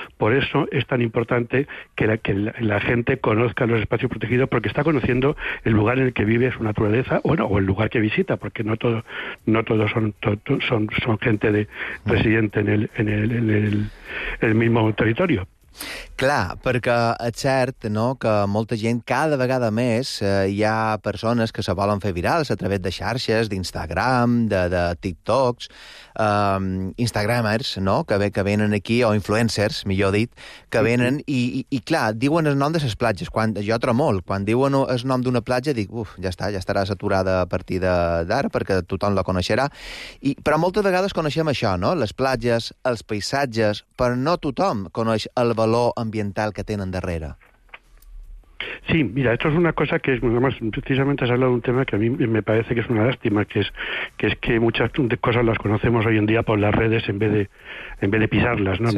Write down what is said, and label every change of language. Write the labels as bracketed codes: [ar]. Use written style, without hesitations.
[es] Por eso es tan importante que la gente conozca los espacios protegidos, porque está conociendo el lugar en el que vive, su naturaleza, bueno, o el lugar que visita, porque no todos son gente de residente en el mismo territorio. [ca] Clar, perquè és cert, no?, que molta gent cada vegada més hi ha persones que se volen fer virals a través de xarxes, d'Instagram, de TikToks, Instagramers, no?, que venen aquí, o influencers, millor dit, que venen i clar, diuen el nom de les platges. Quan diuen el nom d'una platja, dic, uf, ja està, ja estarà saturada a partir d'ara, perquè tothom la coneixerà. Però moltes vegades coneixem això, no?, les platges, els paisatges, però no tothom coneix el valor ambiental que tienen darrere. [es] Sí, mira, esto es una cosa que es, además, precisamente has hablado de un tema que a mí me parece que es una lástima, que es que muchas cosas las conocemos hoy en día por las redes en vez de pisarlas, ¿no? Sí.